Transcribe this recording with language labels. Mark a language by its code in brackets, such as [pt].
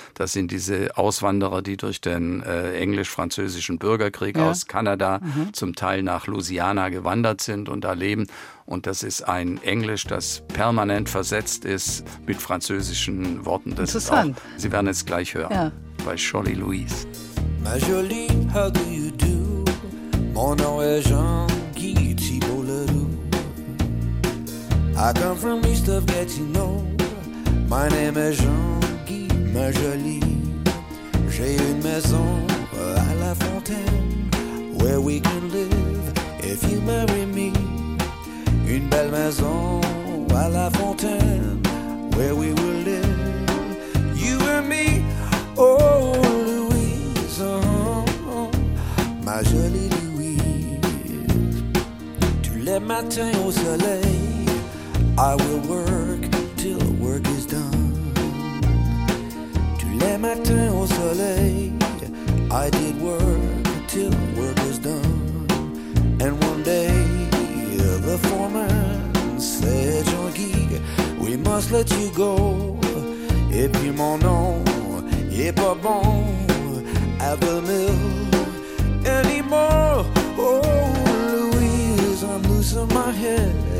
[de] Das sind diese Auswanderer, die durch den englisch-französischen Bürgerkrieg aus Kanada zum Teil nach Louisiana gewandert sind und da leben. Und das ist ein Englisch, das permanent versetzt ist mit französischen Worten. Das interessant. Ist auch, Sie werden es gleich hören bei Jolie Louise. [fr] Ma jolie, [en] how do you do? [fr] Mon nom est Jean-Guy Thibault Leroux. [en] I come from east of Gatineau. My name is Jean-Guy, [fr] ma jolie. J'ai une maison à La Fontaine [en] where we can live if you marry me. [fr] Une belle maison à La Fontaine, [en] where we will live, you and me. [fr] Oh, Louise, oh, ma jolie Louise. Tous les matins au soleil, [en] I will work till the work is done. [fr] Tous les matins au soleil, [en] I did work till the work is done. And one day, the foreman said, Jean-Guy, we must let you go. [fr] Et puis mon nom est pas bon [en] at the mill anymore. Oh, Louise, I'm losing my head.